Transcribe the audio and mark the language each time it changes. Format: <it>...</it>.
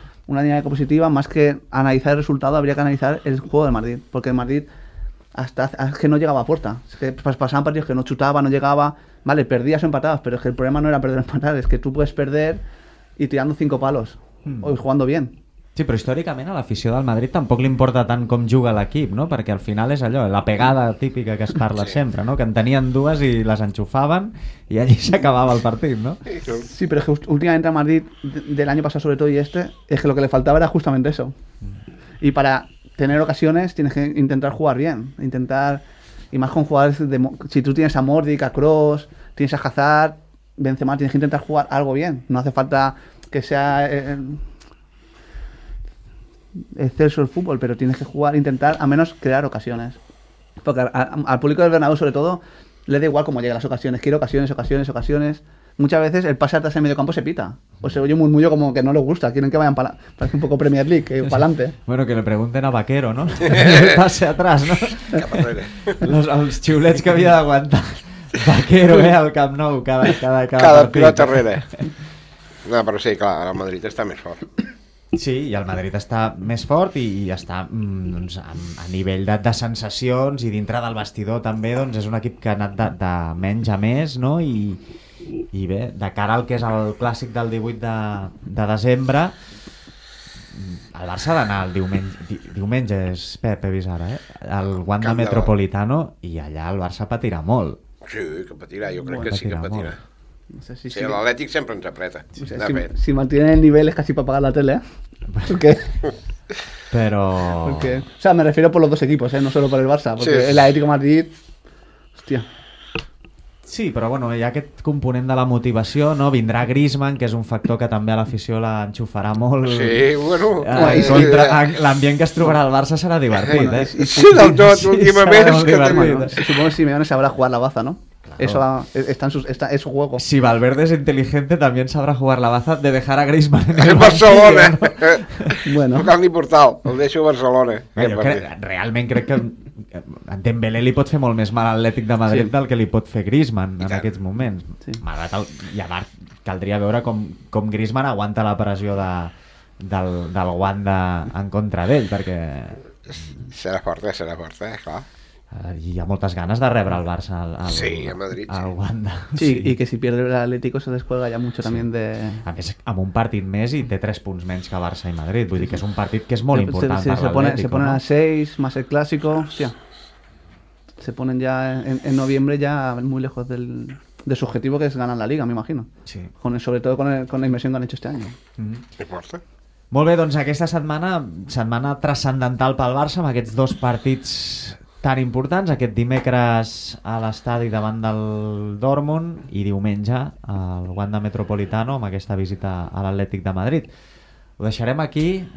<es>Una dinámica positiva, más que analizar el resultado, habría que analizar el juego del Madrid. Porque el Madrid hasta es que no llegaba a puerta. Es que pasaban partidos que no chutaba, no llegaba... Vale, perdías o empatabas, pero es que el problema no era perder o empatar, es que tú puedes perder y tirando cinco palos, o jugando bien.</es> <ca>Sí, però històricament a l'afició del Madrid tampoc li importa tant com juga l'equip, no? Perquè al final és allò, la pegada típica que es parla sempre, no? Que en tenien dues i les enxufaven i allí s'acabava el partit, no? Sí, però que últimament a Madrid, de l'any passat sobretot i este, és que lo que le faltava era justament eso.</ca> <es>Y para tener ocasiones tienes que intentar jugar bien, intentar... Y más con jugadores de, si tú tienes a Modric, a Kroos, tienes a Hazard, Benzema, tienes que intentar jugar algo bien. No hace falta que sea exceso el fútbol, pero tienes que jugar, intentar al menos crear ocasiones. Porque al público del Bernabéu sobre todo le da igual cómo llegan las ocasiones, quiere ocasiones. Muchas veces el pase atrás en medio campo se pita. O se oye un murmullo como que no le gusta. Quieren que vayan para... Parece un poco Premier League, para adelante. Bueno, que le pregunten a Vaquero, ¿no? El pase atrás, ¿no? Los xiulets que había de aguantar.</es> <ca>Vaquero, al Camp Nou, cada pilota rere. No, però sí, clar, el Madrid està més fort. Sí, i el Madrid està més fort i està doncs, a nivell de sensacions i dintre del vestidor també, doncs és un equip que ha anat de menys a més, no? I bé, de cara al que és el clàssic del 18 de desembre, el Barça ha d'anar el diumenge és Pep, he vist ara, al Wanda Metropolitano, i allà el Barça patirà molt. Sí, que patirà, jo crec que sí que patirà. Molt. No sé, sí, l'Atlètic sempre ens apreta. Si mantenen el nivell és quasi per apagar la tele, eh? Perquè... Però...</ca> <es>Porque... O sea, me refiero por los dos equipos, no solo por el Barça, porque sí. El Atlético Madrid...</es> <ca>Hòstia... Sí, però bueno, hi ha aquest component de la motivació, no? Vindrà Griezmann, que és un factor que també a l'afició l'enxufarà molt. Sí, bueno... L'ambient que es trobarà al Barça serà divertit, eh? Sí, del tot, últimament. Sí,</ca> <es>supongo que Simeone sabrà jugar la baza, no? Eso es su juego. Si Valverde es inteligente, también sabrá jugar la baza de dejar a Griezmann en</es> <ca>el Barcelona. Bueno. No cal ni portal, el deixo a Barcelona. Realment crec que en Dembélé li pot fer molt més mal a l'Atlètic de Madrid del que li pot fer Griezmann en aquests moments. Sí. Malgrat el... I a Bart caldria veure com Griezmann aguanta la pressió de, del Wanda en contra d'ell, perquè... Serà forta, clar. Hi ha moltes ganes de rebre el Barça a Madrid, al Wanda.</ca> <es>Sí, i que si pierde l'Atlético se descuelga ja mucho, sí. También de...</es> <ca>A més, amb un partit més i té 3 punts menys que Barça i Madrid. Vull dir que és un partit que és molt important per l'Atlético.</ca> <es>Se ponen a 6, más el Clásico, hostia. Se ponen ya en noviembre ya muy lejos de su objetivo, que es ganar la Liga, me imagino. Sí. Sobretot con la inversión que han hecho este año. ¿Qué importa?</es> <ca>Molt bé, doncs aquesta setmana transcendental pel Barça, amb aquests dos partits tan importants, aquest dimecres a l'estadi davant del Dortmund i diumenge al Wanda Metropolitano amb aquesta visita a l'Atlètic de Madrid. Ho deixarem aquí.</ca>